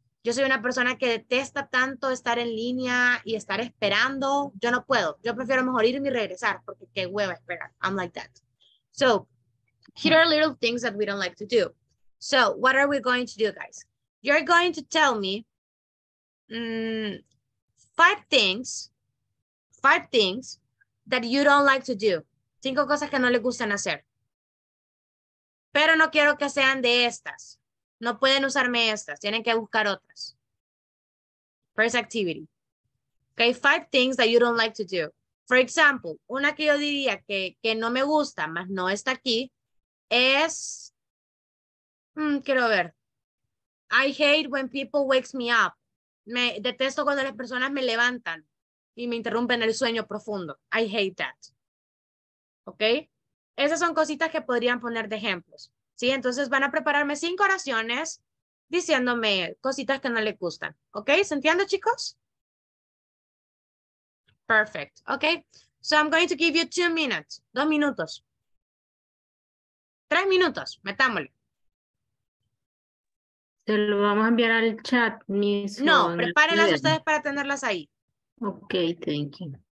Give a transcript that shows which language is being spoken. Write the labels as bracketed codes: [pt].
[es] Yo soy una persona que detesta tanto estar en línea y estar esperando. Yo no puedo. Yo prefiero mejor irme y regresar porque qué hueva esperar. [en] I'm like that. So, here are little things that we don't like to do. So, what are we going to do, guys? You're going to tell me five things that you don't like to do. [es] 5 cosas que no le gustan hacer. Pero no quiero que sean de estas. No pueden usarme estas. Tienen que buscar otras. [en] First activity. Okay, 5 that you don't like to do. For example, [es] una que yo diría que no me gusta, más no está aquí, es... quiero ver. [en] I hate when people wakes me up. [es] Me detesto cuando las personas me levantan y me interrumpen el sueño profundo. [en] I hate that. Okay. [es] Esas son cositas que podrían poner de ejemplos, ¿sí? Entonces van a prepararme 5 oraciones diciéndome cositas que no les gustan, ¿ok? ¿Se entiende, chicos? [en] Perfect, ¿ok? So I'm going to give you 2 minutes, [es] 2 minutos. 3 minutos, metámosle. Se lo vamos a enviar al chat, Miss. No, prepárenlas ustedes para tenerlas ahí. [en] Ok, thank you.